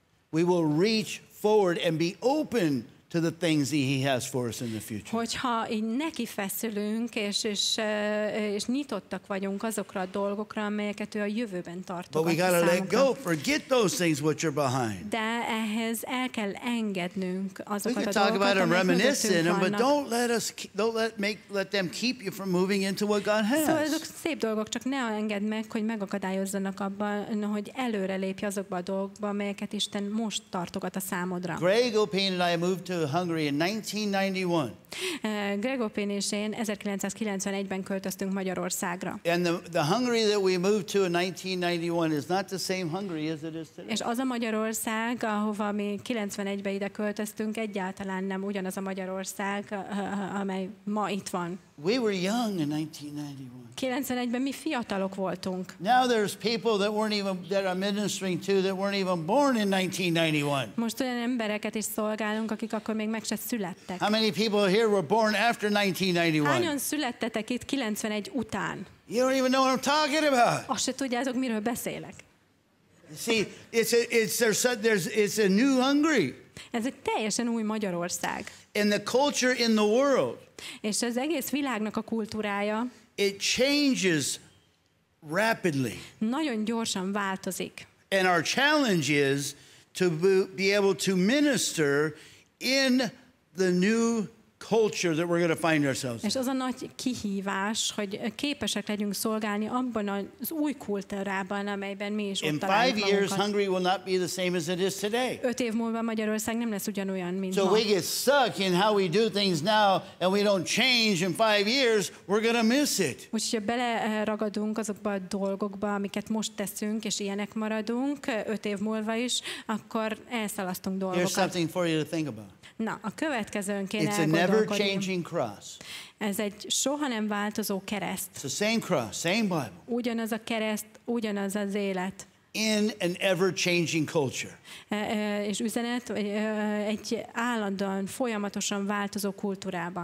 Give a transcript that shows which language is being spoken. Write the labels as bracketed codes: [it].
[en] we will reach forward and be open to the things that he has for us in the future. [hu] Hogyha így neki feszülünk és nyitottak vagyunk azokra a dolgokra, amelyeket ő a jövőben tartogat. [en] But we gotta let go, forget those things which are behind. [hu] De ehhez el kell engednünk azokat a dolgokat. [en] We can talk about them, reminisce in them, but don't let them keep you from moving into what God has. [hu] Szóval azok szép dolgok, csak ne engedd meg, hogy megakadályozzanak abban, hogy előre lépj azokba a dolgokba, amelyeket Isten most tartogat a számodra. [en] Greg Opin and I moved to Hungary in 1991. [hu] Greg Opin és én 1991-ben költöztünk Magyarországra. [en] And the Hungary that we moved to in 1991 is not the same Hungary as it is today. [hu] És az a Magyarország, ahova mi 91-ben ide költöztünk, egyáltalán nem ugyanaz a Magyarország, amely ma itt van. [en] We were young in 1991. [hu] 91-ben mi fiatalok voltunk. [en] Now there's people that are ministering to that weren't even born in 1991. [hu] Most olyan embereket is szolgálunk, akik akkor még meg se születtek. [en] How many people here were born after 1991? [hu] Hányan születtetek itt 91 után? [en] You don't even know what I'm talking about. [hu] Azt se tudjátok, miről beszélek. [en] See, it's a new Hungary. [hu] Ez egy teljesen új Magyarország. [en] And the culture in the world. [hu] És az egész világnak a kultúrája. [en] It changes rapidly. [hu] Nagyon gyorsan változik. [en] And our challenge is to be able to minister in the new culture that we're going to find ourselves. [hu] És az a nagy kihívás, hogy képesek legyünk szolgálni abban az új kultúrában, amelyben mi is ott találunk. [en] In 5 years, Hungary will not be the same as it is today. [hu] 5 év múlva Magyarország nem lesz ugyanolyan, mint [en] so [hu] ma. [en] So we get stuck in how we do things now, and we don't change in 5 years, we're going to miss it. [hu] Úgyhogy beleragadunk azokba a dolgokba, amiket most teszünk, és ilyenek maradunk 5 év múlva is, akkor elszalasztunk dolgokat. [en] Here's something for you to think about. [hu] Na, a következőn kéne [en] it's a never-changing cross. [hu] Ez egy soha nem változó kereszt. [en] It's the same cross, same Bible. [hu] Ugyanaz a kereszt, ugyanaz az élet. [en] In an ever-changing culture. [hu] És üzenet egy állandóan, folyamatosan változó kultúrában.